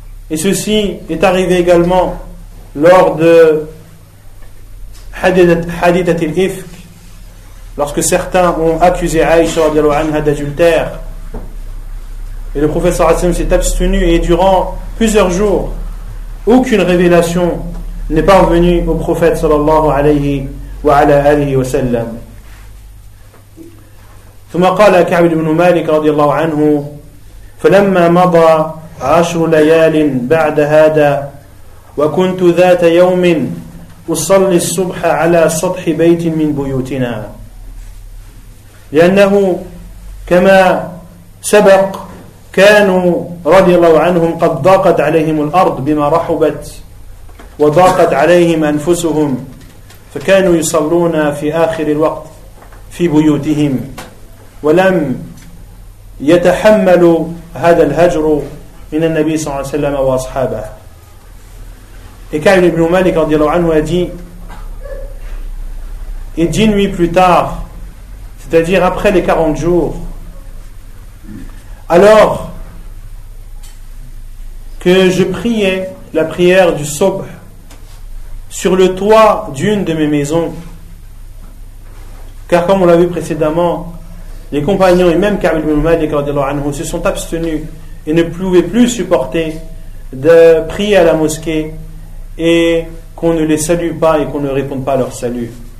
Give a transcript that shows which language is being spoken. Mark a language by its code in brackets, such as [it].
[fr] Et ceci est arrivé également lors de Hadithat al-Ifk, lorsque certains ont accusé Aïcha radiallahu anha d'adultère. Et le prophète sallallahu alayhi wa sallam s'est abstenu, et durant plusieurs jours, aucune révélation n'est parvenue au prophète sallallahu alayhi wa ala alihi wa sallam. [ar] ثم قال كعب بن مالك رضي الله عنه فلما مضى عشر ليال بعد هذا وكنت ذات يوم أصلي الصبح على سطح بيت من بيوتنا لأنه كما سبق كانوا رضي الله عنهم قد ضاقت عليهم الأرض بما رحبت وضاقت عليهم أنفسهم فكانوا يصلون في آخر الوقت في بيوتهم ولم يتحملوا هذا الهجر من النبي صلى الله عليه وسلم وأصحابه. [fr] Et Ka'b ibn Malik radiallahu anhu a dit, et 10 nuits plus tard, c'est-à-dire après les 40 jours, alors que je priais la prière du Sobh sur le toit d'une de mes maisons, car comme on l'a vu précédemment, les compagnons et même Ka'b ibn Malik radiallahu anhu se sont abstenus et ne pouvaient plus supporter de prier à la mosquée et qu'on ne les salue pas et qu'on ne réponde pas à leur salut.